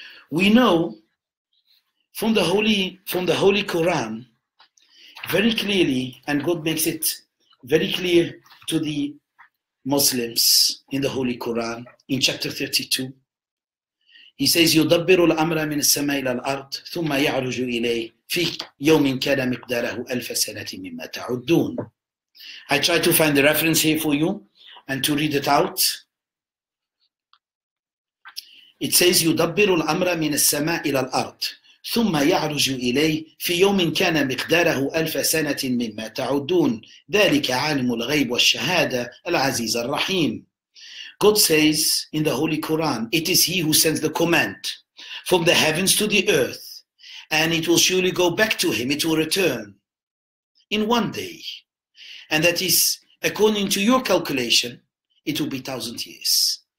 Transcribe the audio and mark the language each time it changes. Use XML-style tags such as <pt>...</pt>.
<en>We know from the Holy Quran, very clearly, and God makes it very clear to the Muslims in the Holy Quran, in chapter 32, he says,</en> <ar>يُدَبِّرُ الْأَمْرَ مِنَ السَّمَاءِ إِلَى الْأَرْضِ ثُمَّ يَعْرُجُ إِلَيْهِ فِي يَوْمٍ كَانَ مِقْدَارَهُ أَلْفَ سَنَةٍ مِمَّا تَعُدُّونَ.</ar> <en>I try to find the reference here for you and to read it out. It says,</en> <ar>يُدَبِّرُ الْأَمْرَ مِنَ السَّمَاءِ إِلَى الْأَرْضِ ثم يعرج إليه في يوم كان مقداره ألف سنة مما تعدون ذلك عالم الغيب والشهادة العزيز الرحيم.</ar> <en>God says in the Holy Quran, it is he who sends the command from the heavens to the earth, and it will surely go back to him, it will return in one day, and that is according to your calculation, it will be 1,000 years.</en>